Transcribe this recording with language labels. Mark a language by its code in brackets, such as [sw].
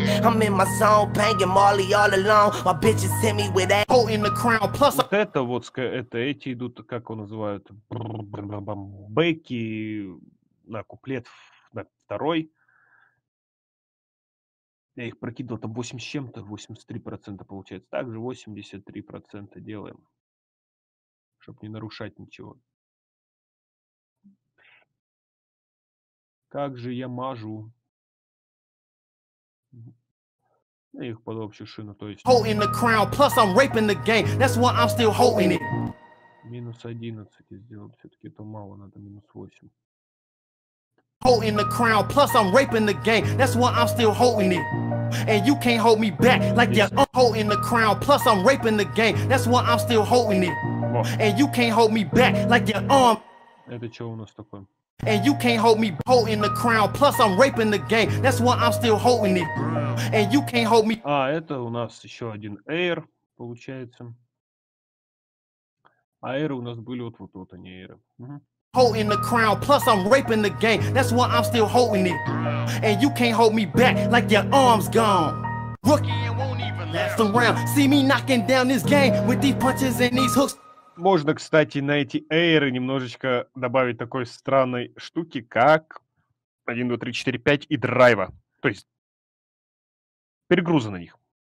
[en] I'm in my zone, banging Molly all alone. My bitches hit me with that hole in the crown. Plus... [ru] Вот это вот, это эти идут, как его называют, бэки на куплет на второй. Я их прокидывал, там 8 с чем-то, 83% получается. Также 83% делаем, чтобы не нарушать ничего. Как же я мажу. Их под общую шину, то есть. [en] Holding the crown, plus I'm raping the game. That's why I'm still holding it. [ru] Минус 11 и сделал, все-таки это мало, надо минус 8. [en] Holding the crown, plus I'm raping the game. That's why I'm still holding it. And you can't hold me back like you're holding the crown. Plus I'm raping the game. That's why I'm still holding it. And you can't hold me back like you're [ru] Это что у нас такое? [en] And you can't hold me holding the crown. Plus I'm raping the game. That's why I'm still holding it. And you can't hold me. [ru] А, это у нас еще один эйр получается. А эйры у нас были вот вот они эйры. [en] Holding the crown. Plus I'm raping the game. That's why I'm still holding it. And you can't hold me back like your arm's gone. Rookie, it won't even last around. See me knocking down this game with these punches and these hooks. [ru] Можно, кстати, на эти эйры немножечко добавить такой странной штуки, как 1, 2, 3, 4, 5 и драйва. То есть перегруза на них.